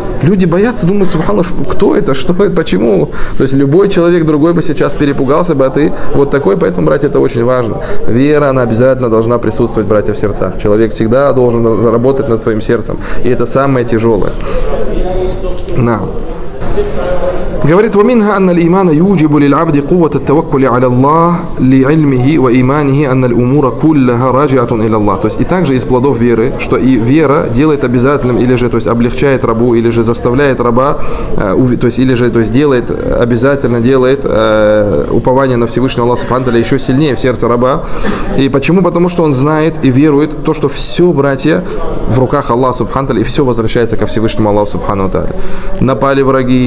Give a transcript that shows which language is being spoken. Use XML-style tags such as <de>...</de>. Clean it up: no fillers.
<ru>Люди боятся, думают, субханаллах, кто это, что это, почему? То есть любой человек другой бы сейчас перепугался бы, а ты вот такой. Поэтому, братья, это очень важно. Вера, она обязательно должна присутствовать, братья, в сердцах. Человек всегда должен заработать над своим сердцем. И это самое тяжелое. На. Говорит,</ru> <ar>ومنها أن الإيمان يوجب للعبد قوة التوكل على الله لعلمه وإيمانه أن الأمور كلها راجعة إلى الله.</ar> <ru>То есть и также из плодов веры, что и вера делает обязательным, или же, то есть, облегчает рабу, или же заставляет раба, то есть, или же, то есть, делает обязательно делает упование на Всевышнего Аллаха Субхану ва Тааля еще сильнее в сердце раба. И почему? Потому что он знает и верует то, что все, братья, в руках Аллаха Субхану ва Тааля, и все возвращается ко Всевышнему Аллаху Субхану ва Тааля. Напали враги,</ru>